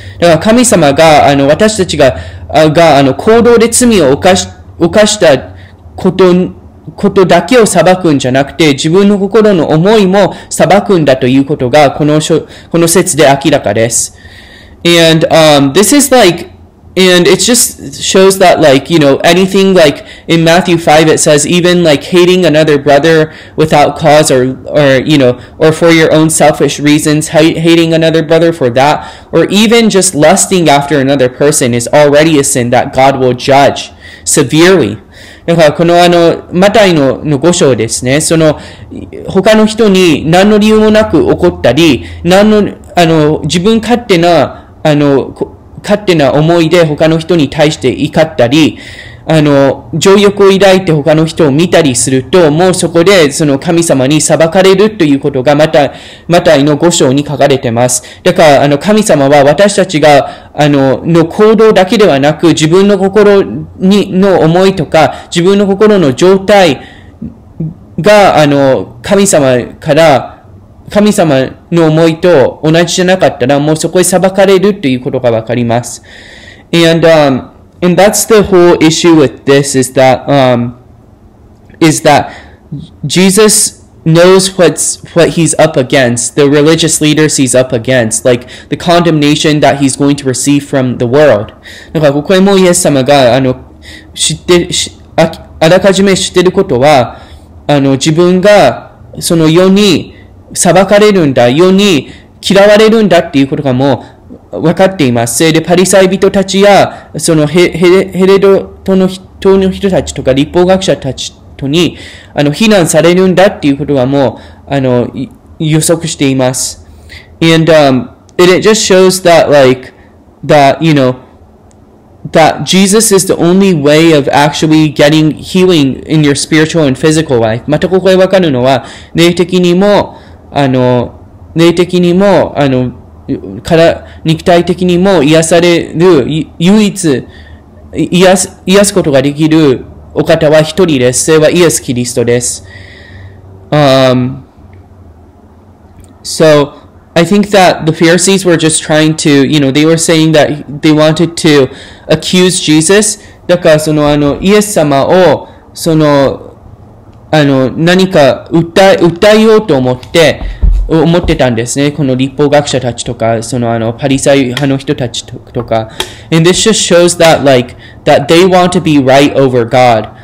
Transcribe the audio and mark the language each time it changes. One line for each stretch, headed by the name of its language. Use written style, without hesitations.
Japanese: だから神様が、私たちが、行動で罪を犯したことだけを裁くんじゃなくて、自分の心の思いも裁くんだということが、この説で明らかです。
English: And, this is like, And it just shows that, like, you know, anything, like, in Matthew 5, it says even, like, hating another brother without cause or you know, or for your own selfish reasons, hating another brother for that, or even just lusting after another person is already a sin that God will judge severely.
Japanese: だからこのあのマタイ の5章ですね、その他の人に何の理由もなく怒ったり、何のあの自分勝手なあの勝手な思いで他の人に対して怒ったり、あの情欲を抱いて他の人を見たりすると、もうそこでその神様に裁かれるということがマタイの5章に書かれてます。だからあの神様は私たちがあのの行動だけではなく、自分の心にの思いとか自分の心の状態が、あの神様の思いと同じじゃなかったら、もうそこで裁かれるということがわかります。
English: And that's the whole issue with this, is that Jesus knows what he's up against, the religious leaders he's up against, like the condemnation that he's going to receive from the world.
Japanese: だからここでもイエス様が、あの、知って、あらかじめ知ってることは、あの、自分がその世に裁かれるんだ、世に嫌われるんだっていうことがもう、分かっています。で、パリサイ人たちや、そのヘレドトの人の人たちとか、立法学者たちとに、あの、非難されるんだっていうことはもう、あの、予測しています。
English: And, it just shows that, like, that, you know, that Jesus is the only way of actually getting healing in your spiritual and physical life.
Japanese: またここで分かるのは、霊的にも、あの、霊的にも、あの、から肉体的にも癒される唯一癒すことができるお方は一人です。それはイエス・キリストです。
English: So I think that the Pharisees were just trying to, you know, they were saying that they wanted to accuse Jesus.
Japanese: だからそのあのイエス様をそのあの何か訴えようと思ってたんですね、この立法学者たちとか、そのあのパリサイ派の人たちとか。
English: And this just shows that, like, that they want to be right over God.